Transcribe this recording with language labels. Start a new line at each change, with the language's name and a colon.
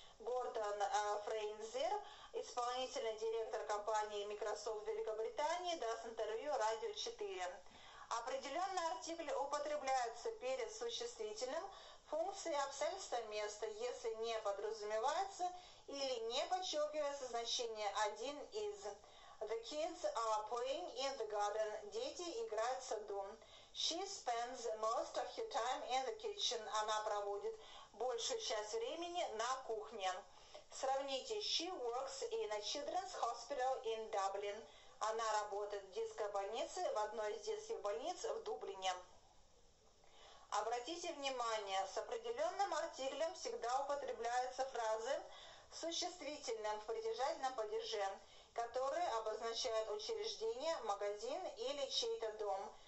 Russian: Гордон Фрейзер, исполнительный директор компании Microsoft Великобритании, даст интервью Радио 4. Определенный артикль употребляется перед существительным функцией обстоятельства места, если не подразумевается или не подчеркивается значение «один из».
English: The kids are playing in the garden.
Russian: Дети играют в саду.
English: She spends most of her time in the kitchen.
Russian: Она проводит большую часть времени на кухне. Сравните.
English: She works in a children's hospital in Dublin.
Russian: Она работает в детской больнице в одной из детских больниц в Дублине. Обратите внимание, с определенным артиклем всегда употребляются фразы с существительным в притяжательном падеже, которые обозначают учреждение, магазин или чей-то дом.